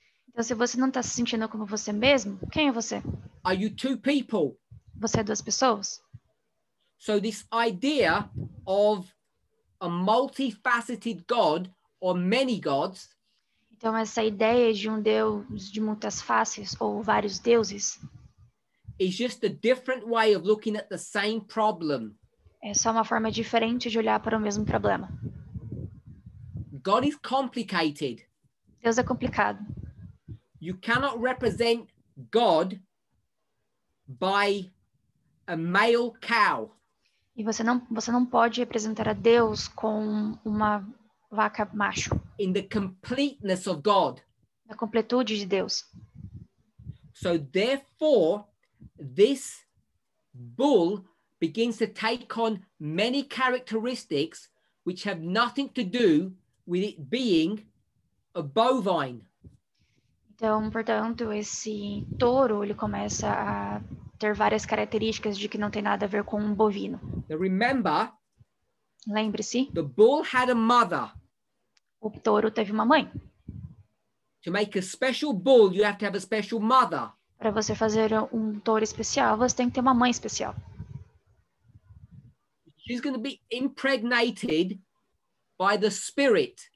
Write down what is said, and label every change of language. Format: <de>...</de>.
<pt>Então se você não está se sentindo como você mesmo, quem é você?</pt> <en>Are you two people?</en> <pt>Você é duas pessoas?</pt> <en>So this idea of a multifaceted God or many gods.</en> <pt>Então essa ideia de Deus de muitas faces ou vários deuses</pt> <en>is just a different way of looking at the same problem.</en> <pt>É só uma forma diferente de olhar para o mesmo problema.</pt> <en>God is complicated.</en> <pt>Deus é complicado.</pt> <en>You cannot represent God by a male cow.</en> <pt>E você não pode representar a Deus com uma vaca macho.</pt> <en>In the completeness of God.</en> <pt>Na completude de Deus.</pt> <en>So therefore, this bull begins to take on many characteristics which have nothing to do with it being a bovine.</en> <pt>Então, portanto, esse touro, ele começa a ter várias características de que não tem nada a ver com bovino.</pt> <en>Now remember,</en> <pt>lembre-se,</pt> <en>the bull had a mother.</en> <pt>O touro teve uma mãe.</pt> <en>To make a special bull, you have to have a special mother.</en> <pt>Para você fazer touro especial, você tem que ter uma mãe especial.</pt> <en>She's going to be impregnated by the spirit.</en>